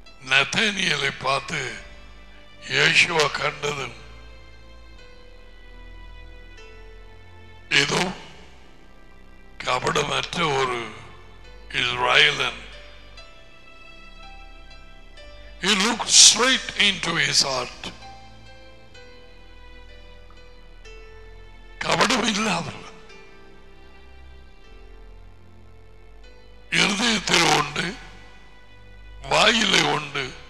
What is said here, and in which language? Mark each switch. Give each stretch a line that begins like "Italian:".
Tamil: நதேனியலை பார்த்து யேசுவா கண்டதும் ஏதோ கபடமற்ற ஒரு இஸ்ரவேலன்.
English: He looked straight into his heart.
Tamil: கபடம் இல்லாதவன் இருதயத்தில் உண்டு, வாயிலே உண்டு.